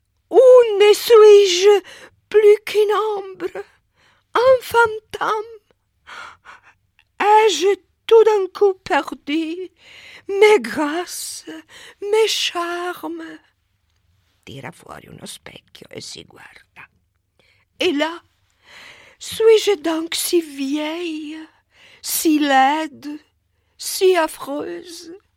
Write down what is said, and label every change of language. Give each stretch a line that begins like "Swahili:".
French: Ou ne suis-je plus qu'une ombre? Un fantôme? Ai-je tout d'un coup perdu mes grâces, mes charmes?
Italian: Tira fuori uno specchio e si guarda.
French: Et là, suis-je donc si vieille, si laide, si affreuse?